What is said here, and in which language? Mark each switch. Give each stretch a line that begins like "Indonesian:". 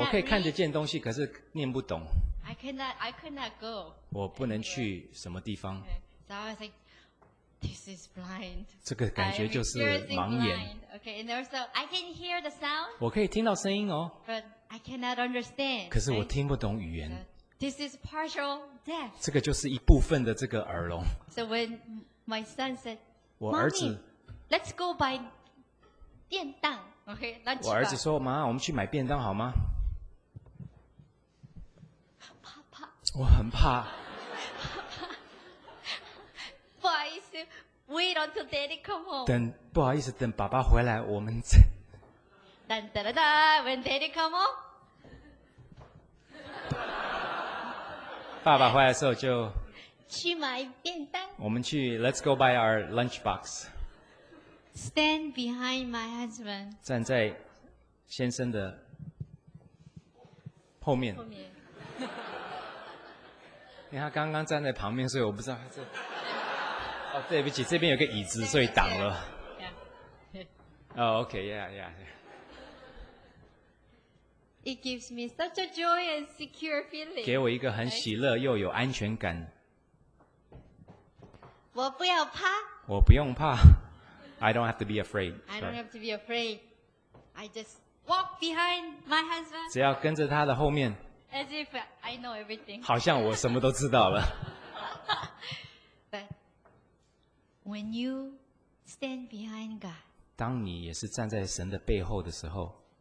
Chinese: 我可以看得见东西可是念不懂
English: I could not go.
Chinese: 我不能去什么地方
English: So I was like, this is blind.
Chinese: 这个感觉就是盲眼
English: Okay, and also I can hear the sound.
Chinese: 我可以听到声音哦
English: butI cannot understand.
Chinese: 可是我听不懂语言。
English: This is partial deaf.
Chinese: 这个就是一部分的这个耳聋。
English: So when my son said,
Chinese: 我儿子
English: let's go buy 便当 okay, lunch.
Chinese: 我儿子说，妈，我们去买便当好吗？怕。我很怕。不好意思
English: ，wait until daddy come home.
Chinese: 等，不好意思，等爸爸回来，我们。
English: 哒哒哒哒 ，When Daddy come home，
Chinese: 爸爸回来的时候就去买便当。我们去
English: ，Let's go buy our lunchbox。 Stand behind my husband。
Chinese: 站在先生的后面。后面。因为他刚刚站在旁边，所以我不知道他是。哦，对不起，这边有个椅子，所以挡了。哦、yeah. oh, ，OK，Yeah，Yeah、okay,。Yeah.
English: It gives me such a joy and secure feeling.
Chinese: 给我一个很喜乐又有安全感。我不要怕。我不用怕。
English: I don't have to be afraid. I don't have to be afraid. I just walk behind my husband.
Chinese: 只要跟着他的后面。
English: As if I know everything.
Chinese: 好像我什么都知道了。
English: But when you stand behind God,
Chinese: 当你也是站在神的背后的时候。